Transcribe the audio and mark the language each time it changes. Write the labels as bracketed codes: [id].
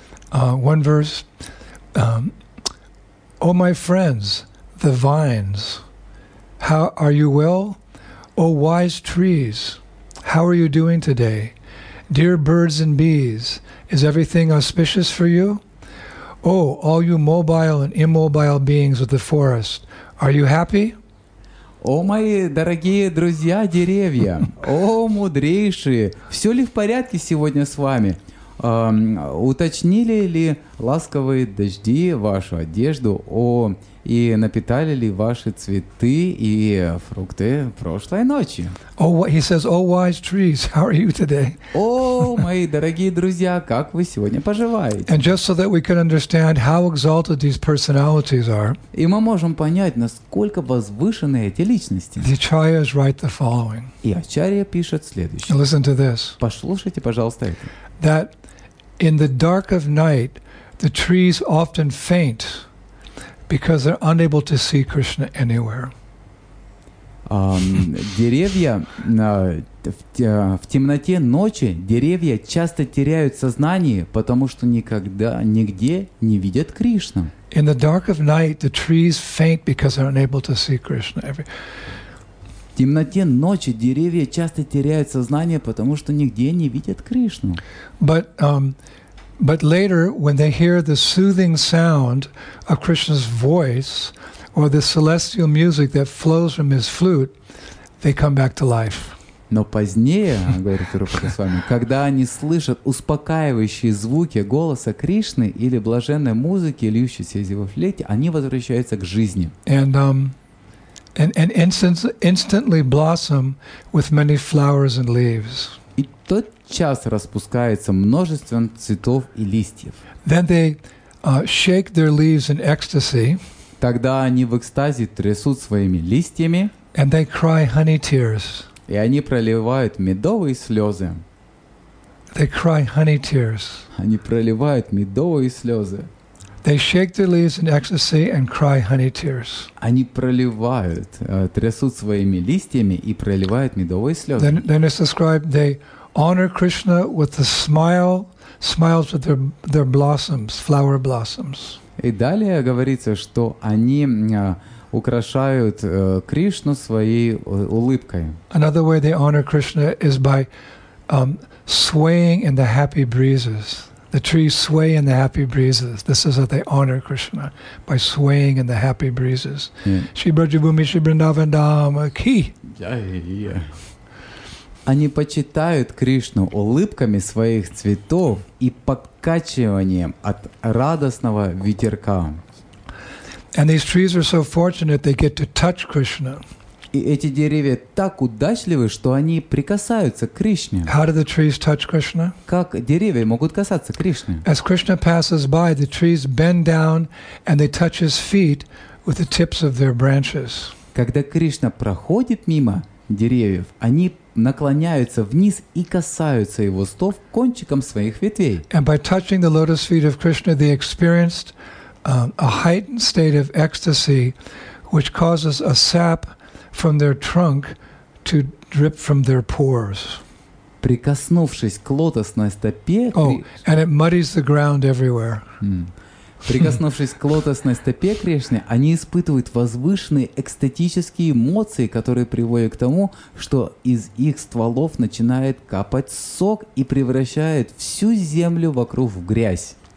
[en] One verse. Oh my friends, the vines, how are you well? Oh wise trees, how are you doing today? Dear birds and bees, is everything auspicious for you? Oh, all you mobile and immobile beings of the forest, are you happy? [ru] О, мои дорогие друзья, деревья! О, мудрейшие! Все ли в порядке сегодня с вами? Уточнили ли ласковые дожди вашу одежду? О, и напитали ли ваши цветы и фрукты прошлой ночи? [en] Oh, he says, oh, wise trees, how are you today? [ru] О, мои дорогие друзья, как вы сегодня поживаете? [en] And just so that we can understand how exalted these personalities are. [ru] И мы можем понять, насколько возвышены эти личности. [en] The Acharyas write the following. [ru] И Ачарья пишет следующее. [en] Now listen to this. [ru] Послушайте, пожалуйста, это. [en] That in the dark of night, the trees often faint because they're unable to see Krishna anywhere. [ru] Деревья в темноте ночи деревья часто теряют сознание, потому что никогда нигде не видят Кришну. [en] In the dark of night, the trees faint because they're unable to see Krishna everywhere. [ru] В темноте ночи деревья часто теряют сознание, потому что нигде не видят Кришну. [en] But later, when they hear the soothing sound of Krishna's voice or the celestial music that flows from his flute, they come back to life. [ru] Но позднее, говорит Рупа с вами, когда они слышат успокаивающие звуки голоса Кришны или блаженной музыки, льющейся из его флейты, они возвращаются к жизни. [en] And instantly blossom with many flowers and leaves. [ru] И тотчас распускается множеством цветов и листьев. [en] Then they shake their leaves in ecstasy. [ru] Тогда они в экстазе трясут своими листьями. [en] And they cry honey tears. [ru] И они проливают медовые слезы. [en] They cry honey tears. [ru] Они проливают медовые слезы. [en] They shake their leaves in ecstasy and cry honey tears. [ru] Они проливают, трясут своими листьями и проливают медовые слезы. [en] Then it's described they honor Krishna with a smile, smiles with their blossoms, flower blossoms. [ru] И далее говорится, что они украшают Кришну своей улыбкой. [en] Another way they honor Krishna is by swaying in the happy breezes. The trees sway in the happy breezes. This is how they honor Krishna, by swaying in the happy breezes. Shri Brajabhumi, Shri Vrindavan Dhama, ki! [ru] Они почитают Кришну улыбками своих цветов и покачиванием от радостного ветерка. [en] And these trees are so fortunate they get to touch Krishna. [ru] И эти деревья так удачливы, что они прикасаются к Кришне. [en] How do the trees touch Krishna? [ru] Как деревья могут касаться Кришны? [en] As Krishna passes by, the trees bend down and they touch his feet with the tips of their branches. [ru] Когда Кришна проходит мимо деревьев, они наклоняются вниз и касаются его стоп кончиком своих ветвей. [en] And by touching the lotus feet of Krishna, they experienced a heightened state of ecstasy, which causes a sap from their trunk to drip from their pores. [ru] Прикоснувшись к лотосной стопе, [en] and it muddies the ground everywhere. [ru] Прикоснувшись к лотосной стопе Кришны, они испытывают возвышенные экстатические эмоции, которые приводят к тому, что из их стволов начинает капать сок и превращает всю землю вокруг в грязь.